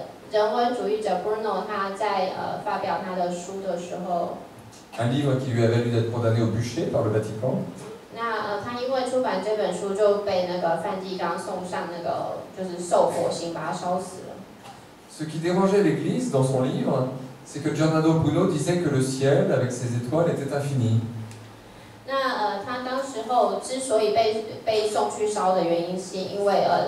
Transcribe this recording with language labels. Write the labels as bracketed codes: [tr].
[zh] 人文主义者 Bruno 他在发表他的书的时候 [fr] ，un livre qui lui a valu d'être condamné au bûcher par le Vatican. [zh] 那他因为出版这本书就被那个梵蒂冈送上那个就是受火刑，把他烧死了。 [fr] Ce qui dérangeait l'Église dans son livre. C'est que Giordano Bruno disait que le ciel avec ses étoiles était infini. [zh] 那他当时候之所以被送去烧的原因，是因为